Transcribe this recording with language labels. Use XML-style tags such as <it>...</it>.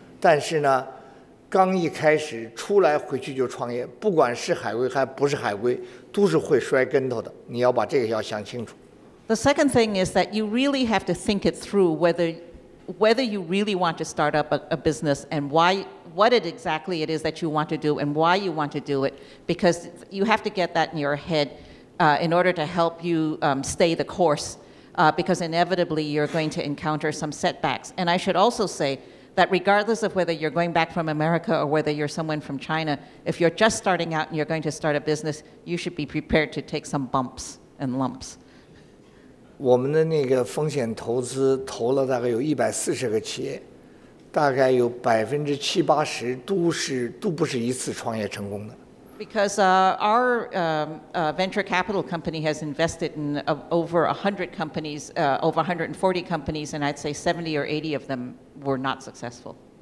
<zh>但是呢，刚一开始出来回去就创业，不管是海归还不是海归，都是会摔跟头的。你要把这个要想清楚。</zh> <en>The second thing is that you really have to think it through whether you really want to start up a business and why, what it exactly it is that you want to do and why you want to do it, because you have to get that in your head in order to help you stay the course. Because inevitably you're going to encounter some setbacks. And I should also say that regardless of whether you're going back from America or whether you're someone from China, if you're just starting out and you're going to start a business, you should be prepared to take some bumps and lumps.</en> <zh>我们的那个风险投资投了大概有140个企业，大概有70%-80%都不是一次创业成功的。</zh> <en>Because our venture capital company has invested in over 100 companies, over 140 companies, and I'd say 70 or 80 of them were not successful.</en>